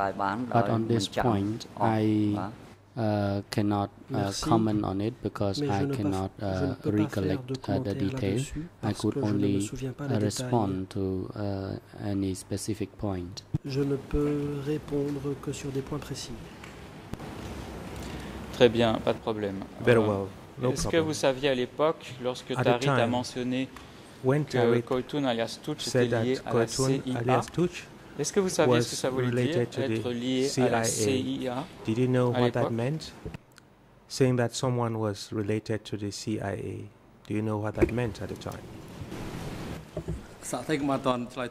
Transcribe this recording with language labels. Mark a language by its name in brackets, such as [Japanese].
[English] But on this point, I cannot comment on it because I cannot recollect the detail. I could only respond to any specific point. [French] Je ne peux répondre que sur des points précis. Très bien, pas de problème. [English] Very well. No [French] est-ce [English] problem. [French] Que vous saviez à l'époque, lorsque Tarit a mentionné que Koytoun alias Touch était lié à Koytoun la CIA, est-ce que vous saviez ce que ça voulait dire, être lié [English] CIA. [French] À la CIA? [English] Did you know what that meant? Saying that someone was related to the CIA, do you know what that meant at the time?